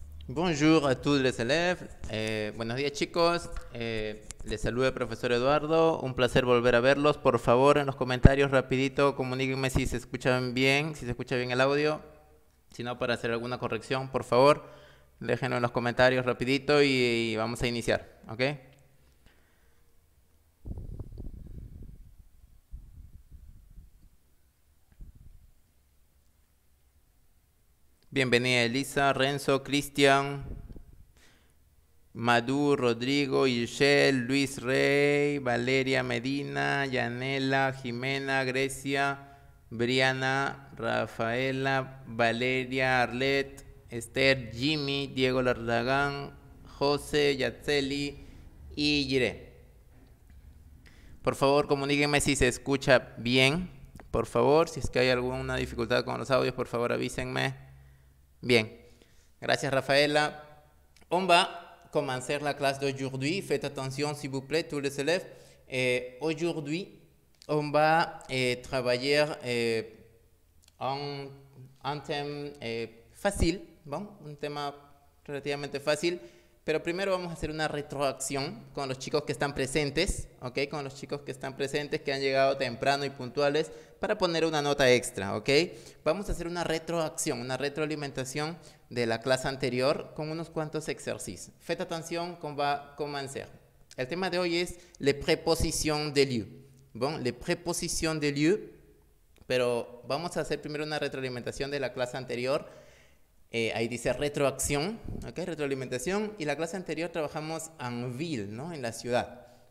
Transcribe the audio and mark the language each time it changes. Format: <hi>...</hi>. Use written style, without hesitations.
<fr>Bonjour a tous les élèves.</fr> <es>Buenos días, chicos. Les saluda el profesor Eduardo. Un placer volver a verlos. Por favor, en los comentarios, rapidito, comuníquenme si se escuchan bien, si se escucha bien el audio. Si no, para hacer alguna corrección, por favor, déjenlo en los comentarios rapidito y vamos a iniciar, ¿ok? Bienvenida Elisa, Renzo, Cristian, Madú, Rodrigo, Yushel, Luis Rey, Valeria Medina, Yanela, Jimena, Grecia, Briana, Rafaela, Valeria, Arlet, Esther, Jimmy, Diego Lardagán, José, Yatseli y Yire. Por favor, comuníquenme si se escucha bien. Por favor, si es que hay alguna dificultad con los audios, por favor avísenme. Bien, gracias Rafaela.</es> <fr>On va commencer la classe d'aujourd'hui. Faites attention, s'il vous plaît, tous les élèves. Aujourd'hui, on va travailler un thème facile, bon, un thème relativement facile.</fr> <es>Pero primero vamos a hacer una retroacción con los chicos que están presentes, ¿ok? Con los chicos que están presentes, que han llegado temprano y puntuales, para poner una nota extra, ¿ok? Vamos a hacer una retroacción, una retroalimentación de la clase anterior con unos cuantos ejercicios.</es> <fr>Faites attention, qu'on va commencer.</fr> <es>El tema de hoy es</es> <fr>les prépositions de lieu. Bon, les prépositions de lieu,</fr> <es>pero vamos a hacer primero una retroalimentación de la clase anterior. Ahí dice retroacción, ¿ok? Retroalimentación. Y la clase anterior trabajamos en ville, ¿no? En la ciudad.</es>